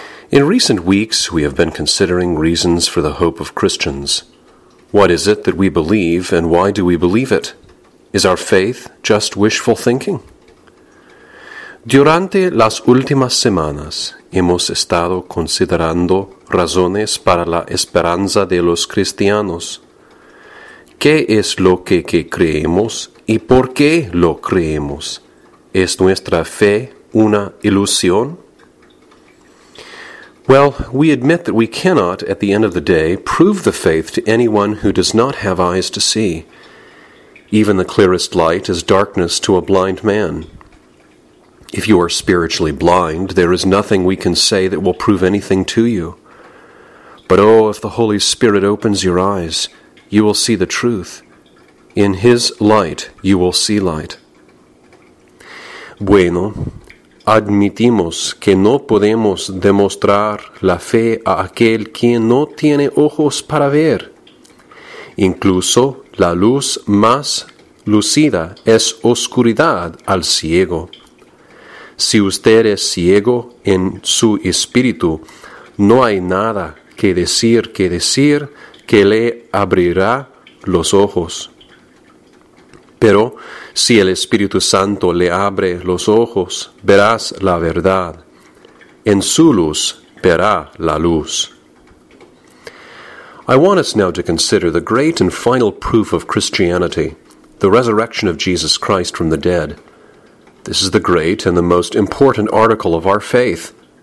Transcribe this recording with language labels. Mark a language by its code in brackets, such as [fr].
[en] In recent weeks, we have been considering reasons for the hope of Christians. What is it that we believe, and why do we believe it? Is our faith just wishful thinking? [es] Durante las últimas semanas, hemos estado considerando razones para la esperanza de los cristianos. ¿Qué es lo que creemos y por qué lo creemos? ¿Es nuestra fe una ilusión? [en] Well, we admit that we cannot, at the end of the day, prove the faith to anyone who does not have eyes to see. Even the clearest light is darkness to a blind man. If you are spiritually blind, there is nothing we can say that will prove anything to you. But oh, if the Holy Spirit opens your eyes, you will see the truth. In His light, you will see light. [es] Bueno, admitimos que no podemos demostrar la fe a aquel quien no tiene ojos para ver. Incluso la luz más lucida es oscuridad al ciego. Si usted es ciego en su espíritu, no hay nada que decir que le abrirá los ojos. Pero si el Espíritu Santo le abre los ojos, verás la verdad. En su luz verá la luz. [en] I want us now to consider the great and final proof of Christianity, the resurrection of Jesus Christ from the dead. This is the great and the most important article of our faith.